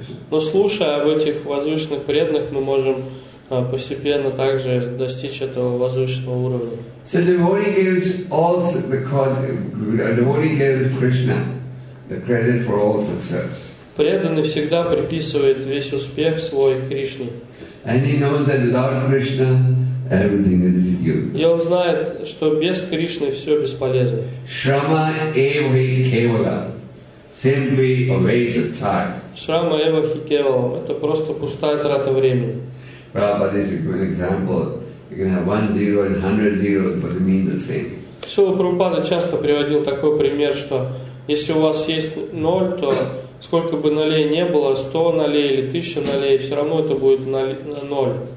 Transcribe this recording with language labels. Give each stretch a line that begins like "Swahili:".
Russian: Но слушая об этих возвышенных преданных, мы можем постепенно также достичь этого возвышенного уровня.
English: So devotee gives all the devotee gives Krishna the credit for all success.
Russian: Преданный всегда приписывает весь успех свой Кришне.
English: And he knows that without Krishna, everything is useless.
Russian: И он знает, что без Кришны все бесполезно.
Sanskrit: Shrama eva hi kevala,
English: simply a waste of time.
Sanskrit: Shrama eva hi kevala,
Russian: это просто пустая трата времени.
English: Prabhupada is a good example. You can have 1 zero and 100 zeros, but they mean the same.
Russian: Шрила Прабхупада часто приводил такой пример, что если у вас есть ноль, то сколько бы нолей не было, 100 нолей или 1000 нолей, все равно это будет ноль.